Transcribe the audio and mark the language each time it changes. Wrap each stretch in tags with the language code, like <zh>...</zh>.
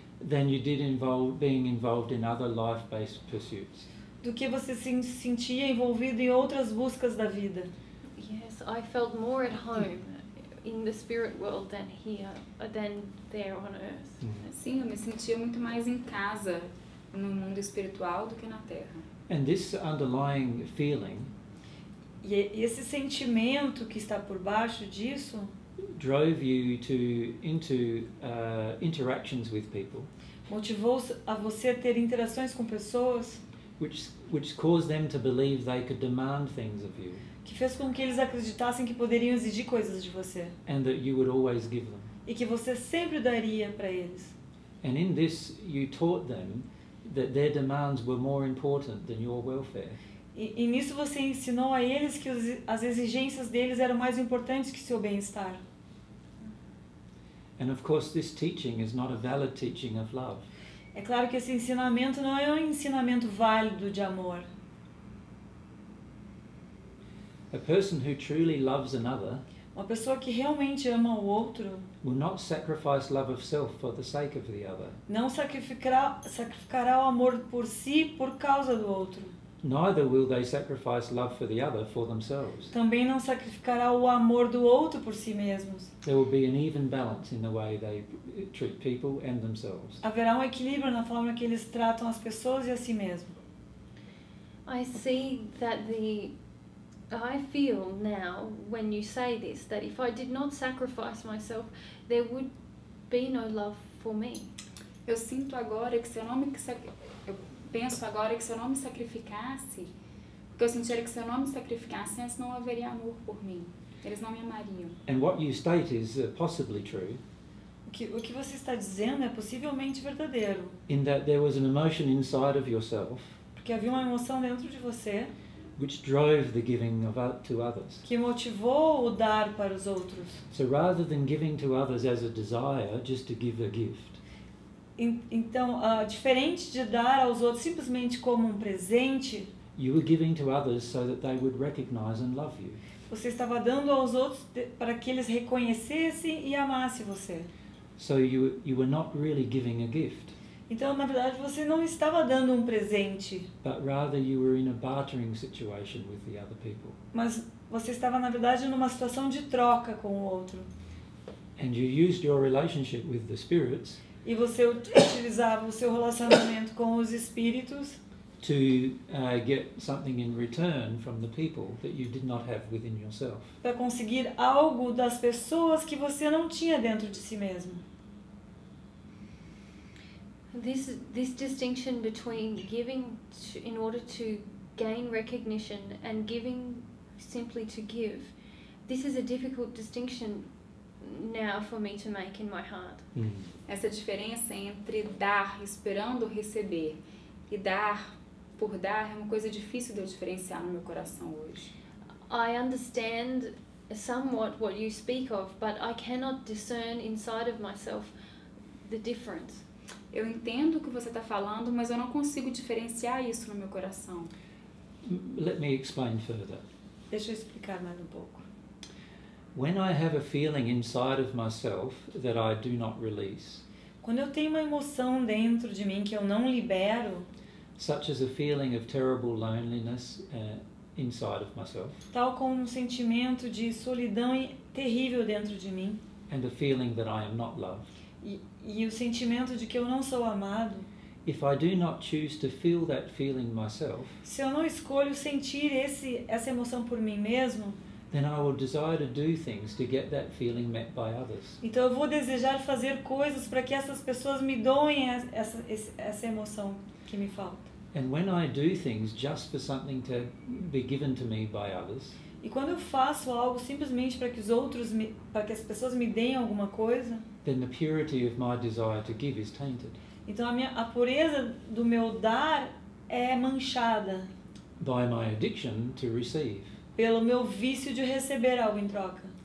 <en>Than you did being involved in other life-based pursuits.</en> <pt>Do que você se sentia envolvido em outras buscas da vida.</pt> <en>Yes, I felt more at home in the spirit world than here, than there on earth.</en> <pt>Sim, eu me sentia muito mais em casa no mundo espiritual do que na Terra.</pt> <en>And this underlying feeling.</en> <pt>E esse sentimento que está por baixo disso</pt> <en>drove you into interactions with people,</en> <pt>motivou a você a ter interações com pessoas,</pt> <en>which caused them to believe they could demand things of you,</en> <pt>que fez com que eles acreditassem que poderiam exigir coisas de você,</pt> <en>and that you would always give them,</en> <pt>e que você sempre daria para eles.</pt> <en>And in this you taught them that their demands were more important than your welfare.</en> <pt>E nisso você ensinou a eles que as exigências deles eram mais importantes que seu bem-estar.</pt> <en>And of course this teaching is not a valid teaching of love.</en> <pt>É claro que esse ensinamento não é um ensinamento válido de amor.</pt> <en>A person who truly loves another,</en> <pt>uma pessoa que realmente ama o outro,</pt> <en>will not sacrifice love of self for the sake of the other.</en> <pt>Não sacrificará o amor por si por causa do outro.</pt> <en>Neither will they sacrifice love for the other for themselves.</en> <pt>Também não sacrificará o amor do outro por si mesmos.</pt> <en>There will be an even balance in the way they treat people and themselves.</en> <pt>Haverá um equilíbrio na forma que eles tratam as pessoas e a si mesmo.</pt> <en>I see that I feel now when you say this that if I did not sacrifice myself, there would be no love for me.</en> <pt>Eu sinto agora que se eu não me penso agora que se eu não me sacrificasse, porque eu sentia que se eu não me sacrificasse, antes não haveria amor por mim. Eles não me amariam.</pt> <en>And what you state is possibly true.</en> <pt>O que você está dizendo é possivelmente verdadeiro.</pt> <en>In that there was an emotion inside of yourself.</en> <pt>Porque havia uma emoção dentro de você.</pt> <en>Which drove the giving of to others.</en> <pt>Que motivou o dar para os outros.</pt> <en>So rather than giving to others as a desire, just to give a gift.</en> <pt>Então, diferente de dar aos outros simplesmente como um presente,</pt> <en>you were giving to others so that they would recognize and love you.</en> <pt>Você estava dando aos outros para que eles reconhecessem e amassem você.</pt> <en>So you were not really giving a gift.</en> <pt>Então, na verdade, você não estava dando um presente.</pt> <en>But rather you were in a bartering situation with the other people.</en> <pt>Mas você estava, na verdade, numa situação de troca com o outro.</pt> <en>And you used your relationship with the spirits.</en> <pt>E você utilizava o seu relacionamento com os espíritos</pt> <en>to get something in return from the people that you did not have within yourself.</en> <pt>Para conseguir algo das pessoas que você não tinha dentro de si mesmo.</pt> <en>This distinction between giving in order to gain recognition and giving simply to give. This is a difficult distinction now for me to make in my heart.</en> <pt>Essa diferença entre dar esperando receber e dar por dar é uma coisa difícil de eu diferenciar no meu coração hoje.</pt> <en>I understand somewhat what you speak of, but I cannot discern inside of myself the difference.</en> <pt>Eu entendo o que você está falando, mas eu não consigo diferenciar isso no meu coração.</pt> <en>Let me explain further.</en> <pt>Deixa eu explicar mais um pouco.</pt> <en>When I have a feeling inside of myself that I do not release.</en> <pt>Quando eu tenho uma emoção dentro de mim que eu não libero.</pt> <en>Such as a feeling of terrible loneliness inside of myself.</en> <pt>Tal como um sentimento de solidão terrível dentro de mim.</pt> <en>And a feeling that I am not loved.</en> <pt>E o sentimento de que eu não sou amado.</pt> <en>If I do not choose to feel that feeling myself.</en> <pt>Se eu não escolho sentir essa emoção por mim mesmo.</pt> <en>then I will desire to do things to get that feeling met by others.</en> <pt>Então eu vou desejar fazer coisas para que essas pessoas me doem essa emoção que me falta.</pt> <en>And when I do things just for something to be given to me by others.</en> <pt>E quando eu faço algo simplesmente para que os outros para que as pessoas me deem alguma coisa,</pt> <en>then the purity of my desire to give is tainted.</en> <pt>Então a pureza do meu dar é manchada.</pt> <en>By my addiction to receive.</en> <pt>Pelo meu vício de receber algo em troca.</pt>